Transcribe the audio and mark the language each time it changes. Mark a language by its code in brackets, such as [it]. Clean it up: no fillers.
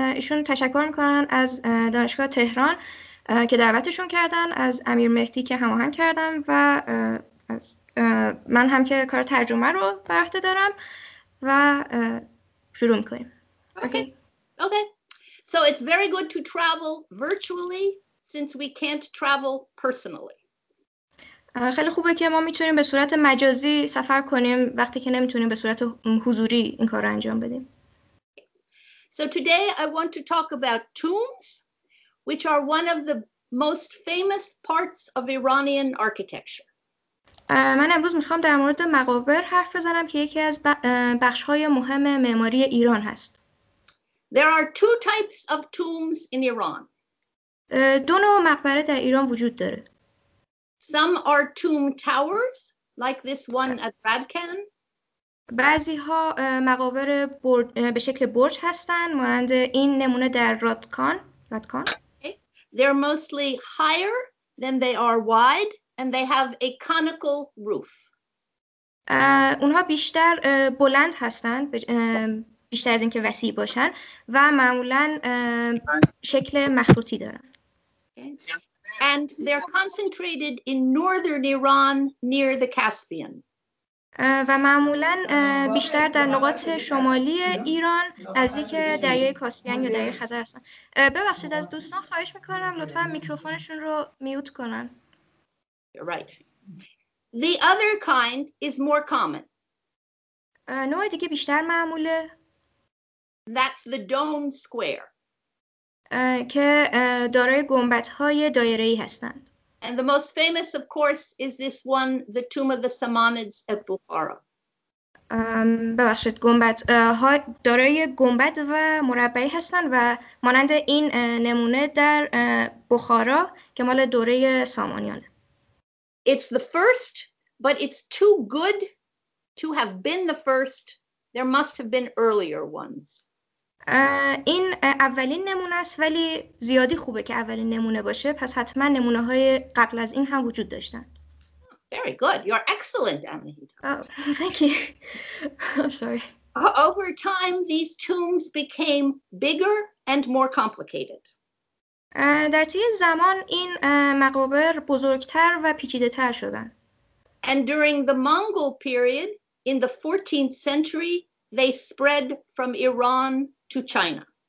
[fa] ایشون تشکر میکنن از دانشگاه تهران که دعوتشون کردن، از امیر مهدی که هماهنگ کردن و از من هم که کار ترجمه رو بر عهده دارم و شروع میکنیم. [en] Okay. So it's very good to travel virtually since we can't travel personally. [fa] خیلی خوبه که ما میتونیم به صورت مجازی سفر کنیم وقتی که نمیتونیم به صورت حضوری این کار رو انجام بدیم. [en] So today I want to talk about tombs, which are one of the most famous parts of Iranian architecture. [fa] من امروز میخوام در مورد مقابر حرف بزنم که یکی از بخش‌های مهم معماری ایران هست. [en] There are two types of tombs in Iran. [fa] دو نوع مقبره در ایران وجود داره. [en] Some are tomb towers, like this one at Radkan. [fa] بعضی ها مقابر به شکل برج هستند، مانند این نمونه در رادکان. [en] They're mostly higher than they are wide, and they have a conical roof. [fa] اونها بیشتر بلند هستند، بیشتر از اینکه وسیع باشند، و معمولاً شکل مخروطی دارند. [en] And they're concentrated in northern Iran near the Caspian. [fa] و معمولاً بیشتر در نقاط شمالی ایران نزدیک دریای کاسپین یا دریای خزر هستن. ببخشید از دوستان خواهش میکنم لطفاً میکروفونشون رو میوت کنن. [en] Right. The other kind is more common. [fa] نوع دیگه بیشتر معموله. [en] That's the domed square. [fa] که دارای گنبدهای دایره‌ای هستند. [en] And the most famous of course is this one, the tomb of the Samanids at Bukhara. [fa] ببخشید گنبدها دارای گنبد و مربعی هستند و مانند این نمونه در بخارا که مال دوره سامانیانه. [en] It's the first, but it's too good to have been the first. There must have been earlier ones. [fa] این اولین نمونه است ولی زیادی خوبه که اولین نمونه باشه پس حتما نمونه های قبل از این هم وجود داشتن. [en] Very good. You're excellent, Amahita. Oh, thank you. I'm sorry. Over time, these tombs became bigger and more complicated. [fa] در طی زمان این مقابر بزرگتر و پیچیده تر شدن. [en] And during the Mongol period, in the 14th century, they spread from Iran to China.